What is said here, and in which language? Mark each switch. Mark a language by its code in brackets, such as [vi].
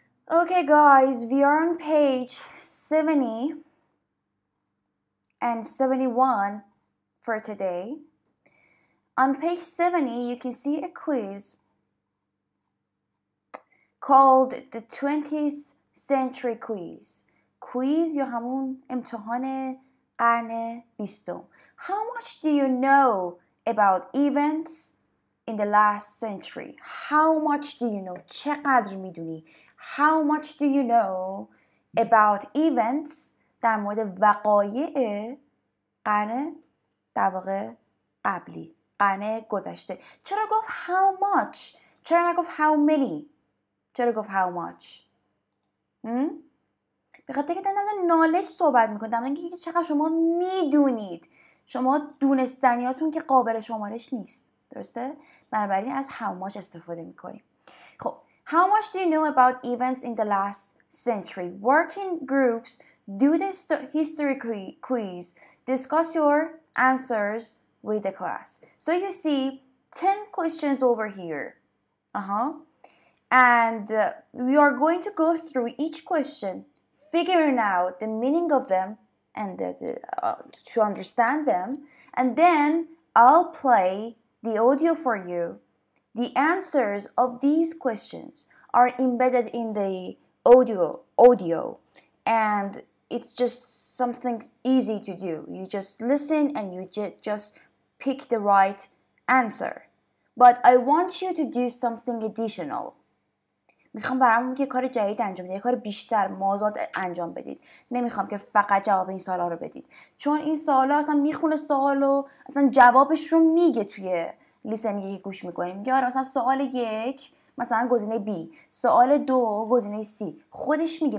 [en] Okay guys, we are on page 70 and 71 for today. On page 70, you can see a quiz called the 20th century quiz. [fa] Quiz یا همون امتحان قرن بیستم. [en] How much do you know about events in the last century? How much do you know? [fa] چقدر میدونی؟ [en] How much do you know about events [fa] در مورد وقایع قرن در واقع قبلی، قرن گذشته؟ چرا گفت [en] how much؟ [fa] چرا نگفت [en] how many؟ [fa] چرا گفت how much؟ بخاطر اینکه دارم نالج صحبت میکنم، دارم اینکه که چقدر شما میدونید. شما دونستنیاتون که قابل شمارش نیست، درسته؟ بنابراین از how much استفاده میکنیم. [en] خب How much do you know about events in the last century? Working groups do this history quiz. Discuss your answers with the class. So you see 10 questions over here. And we are going to go through each question, figuring out the meaning of them and to understand them. And then I'll play the audio for you. The answers of these questions are embedded in the audio, and it's just something easy to do. You just listen and you just pick the right answer. But I want you to do something additional. [fa] میخوام برامون که کار جدید انجام بدید، کار بیشتر مازاد انجام بدید. نمیخوام که فقط جواب این سوالا رو بدید، چون این سوالا اصلا میخونه سوالو، اصلا جوابش رو میگه توی لیسن یکی گوش میکنیم. یا مثلا سوال یک مثلا گزینه B، سوال دو گزینه C، خودش میگه.